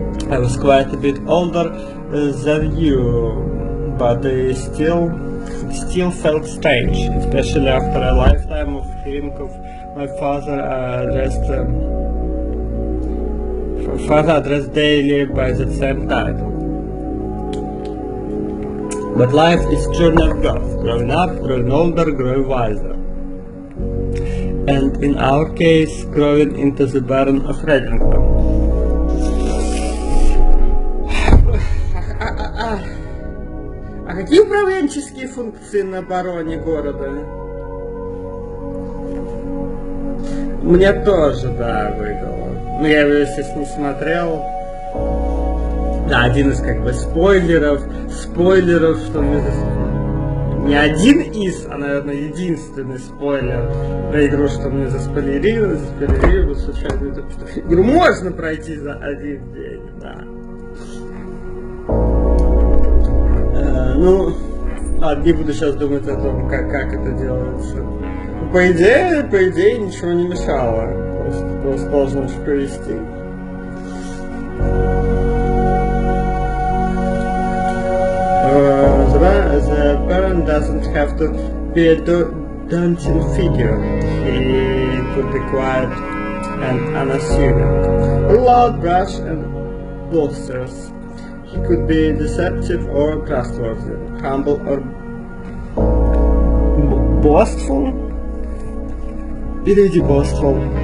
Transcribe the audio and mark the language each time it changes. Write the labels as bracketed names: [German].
[English] I was quite a bit older than you, but I still felt strange, especially after a lifetime of hearing of my father addressed daily by the same title. But life is a journey of growth, growing up, growing older, growing wiser. And in our case, growing into the Baron of Redington. [Russian] А какие управленческие функции на бароне города? Мне тоже, да, выдало. Но я его, естественно, не смотрел. Да, один из, как бы, спойлеров, что мы... Не один из, а, наверное, единственный спойлер на игру, что мне заспойлерили, случайно. Игру можно пройти за один день, да. Ну, ладно, не буду сейчас думать о том, как это делается. Ну, по идее, ничего не мешало. Просто должно что-то провести. [English] The Baron doesn't have to be a daunting figure. He could be quiet and unassuming. A loud brush and bolsters. He could be deceptive or trustworthy, humble or boastful. [Russian] Переведи [English] boastful.